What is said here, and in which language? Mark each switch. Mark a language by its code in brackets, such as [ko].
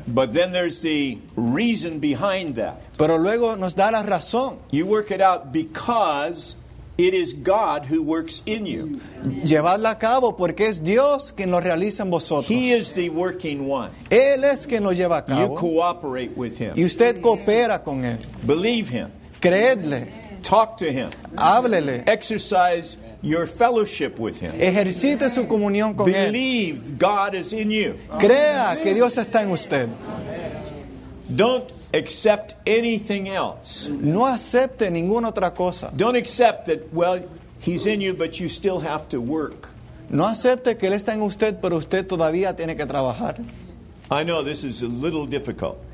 [en] But then there's the reason behind that. [es] Pero luego nos da la razón. [en] You work it out because it is God who works in you. [es] Llevadla a cabo porque es Dios quien lo realiza en vosotros. [en] He is the working one. [es] Él es quien lo lleva a cabo. [en] You cooperate with him. [es] Y usted coopera con él. [en] Believe him. [es] Creedle. [en] Talk to him. [es] Háblele. [en] Exercise your fellowship with him. [es] Ejercite su comunión con [en] believe [es] él. [en] Believe God is in you. [es] Crea que Dios está en usted. [en] Don't accept anything else. [es] No acepte ninguna otra cosa. [en] Don't accept that, well, He's in you, but you still have to work. [es] No acepte que él está en usted, pero usted todavía tiene que trabajar. [en] I know this is a little difficult.